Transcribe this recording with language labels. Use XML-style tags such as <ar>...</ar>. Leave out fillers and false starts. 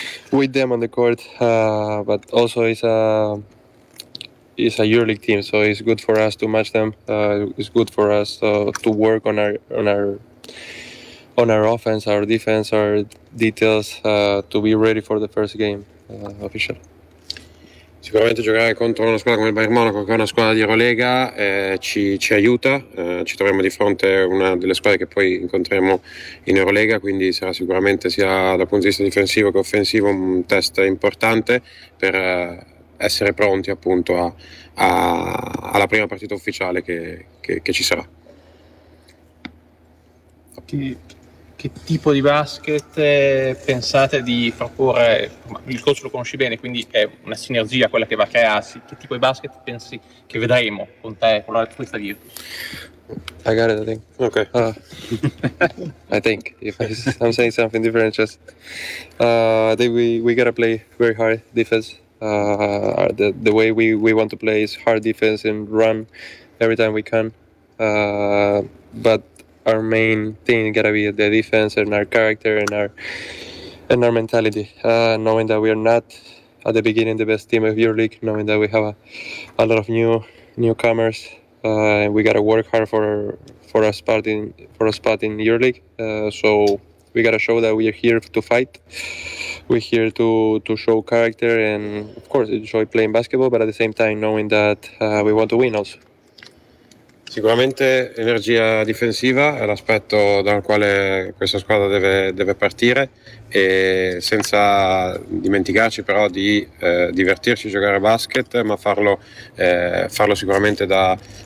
<en>With them on the court, but also it's a EuroLeague team, so it's good for us to match them. It's good for us to work on our offense, our defense, our details, to be ready for the first game, official.</en> <it>Sicuramente giocare contro una squadra come il Bayern Monaco, che è una squadra di Eurolega, ci aiuta. Ci troviamo di fronte a una delle squadre che poi incontreremo in Eurolega, quindi sarà sicuramente, sia dal punto di vista difensivo che offensivo, un test importante per essere pronti appunto alla prima partita ufficiale che ci sarà. Chi, che tipo di basket pensate di proporre? Il coach lo conosci bene, quindi è una sinergia quella che va a crearsi. Che tipo di basket pensi che vedremo con te, con questa Virtus?</it> <en>I got it, I think. Okay. I think if I'm saying something different, just I think we gotta play very hard defense. The way we want to play is hard defense and run every time we can. But our main thing gotta be the defense and our character and our mentality. Knowing that we are not at the beginning the best team of EuroLeague, knowing that we have a lot of newcomers. And we gotta work hard for a spot in EuroLeague. So we gotta show that we are here to fight. We're here to show character and of course enjoy playing basketball, but at the same time knowing that we want to win also.</en> <it>Sicuramente energia difensiva è l'aspetto dal quale questa squadra deve partire, e senza dimenticarci però di divertirci a giocare a basket, ma farlo sicuramente da</it>